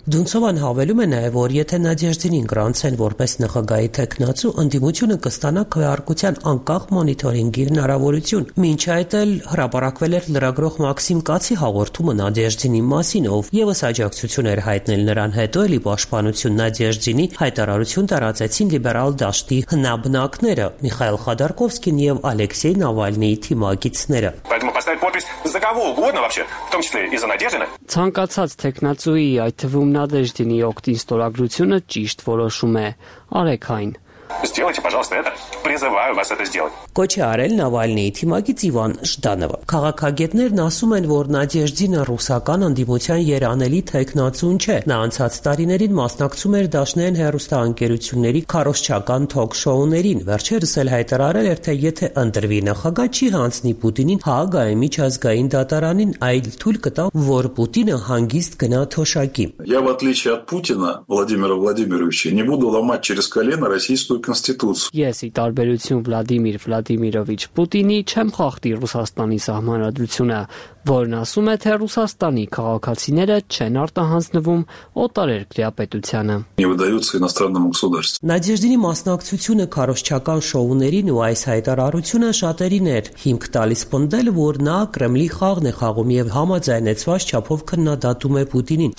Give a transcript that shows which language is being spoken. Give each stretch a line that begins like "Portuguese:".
Armenian: Դունցովան հավելում է նաեւ, որ եթե Նադեժդինին գրանցեն որպես նախագահի թեկնածու, ընդդիմությունը կստանա քվեարկության անկախ մոնիտորինգի հնարավորություն։ Մինչ այդ էլ հրապարակվել էր լրագրող Մաքսիմ Կացի հաղորդումը Նադեժդինի մասին, ով եւս աջակցություն էր հայտնել նրան, հետո էլի պաշտպանություն Նադեժդինի հայտարարություն տարածեցին լիբերալ դաշտի հնաբնակները՝ Միխայել Խադարկովսկին եւ Ալեքսեյ Նավալնիի թիմակիցները։ Ցանկացած թեկնածուի, այդ թվում Նադեժդինի օգտին ստորագրությունը ճիշտ որոշում է, արեք այն։
Russian: Сделайте, пожалуйста, это. Призываю вас это сделать.
Armenian: Կոչի արել Նավալնեի թիմակից Իվան Ժդանովը։ Քաղաքագետներն ասում են, որ Նադեժդինը ռուսական անդիմության երանելի թեկնածուն չէ։ Նա անցած տարիներին մասնակցում էր Դաշնային հեռուստաընկերությունների քարոշչական թոքշոուներին։ Վերջերս էլ հայտարարել էր, թե եթե ընտրվի նախագահ, չի հանձնի Պուտինին Հաագայի միջազգային դատարանին, այլ թույլ կտա, որ Պուտինը հանգիստ գնա թոշակի։
Russian: Я в отличие от Путина, Владимира Владимировича, не буду ломать через колено российскую конституцию.
Armenian: Ես ի տարբերություն Վլադիմիր Վլադիմիրովիչ Պուտինի չեմ խախտի Ռուսաստանի սահմանադրությունը, որն ասում է, թե Ռուսաստանի քաղաքացիները չեն արտահանձնվում օտարեր քրեապետությանը։ Նադեժդինի մասնակցությունը քարոշչական շոուներին ու այս հայտարարությունը շատերին էր հիմք տալիս պնդել, որ նա Կրեմլի խաղն է խաղում և համաձայնեցված չափով քննադատում է Պուտինին,